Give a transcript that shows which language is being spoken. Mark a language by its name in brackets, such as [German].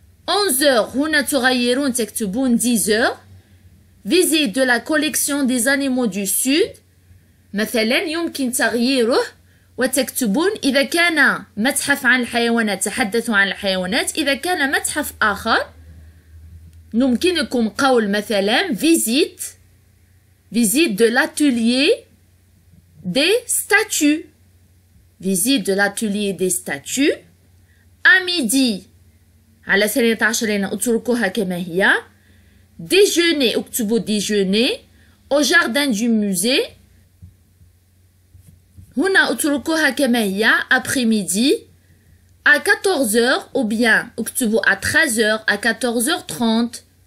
[Arabic] 11h هنا تغيرون تكتبون 10h، [French] visite de la collection des animaux du sud [Arabic] مثلا يمكن تغييره وتكتبون إذا كان متحف عن الحيوانات تحدثوا عن الحيوانات، إذا كان متحف آخر يمكنكم قول مثلا [French] visite de l'atelier des statues. Visite de l'atelier des statues. À midi, [Arabic] على 12h اتركوها كما هي. [French] Déjeuner, [Arabic] اكتبوا [French] déjeuner. Au jardin du musée. [Arabic] هنا اتركوها كما هي. [French] Après-midi. À 14h ou bien [Arabic] اكتبوا [French] à 13h, à 14h30.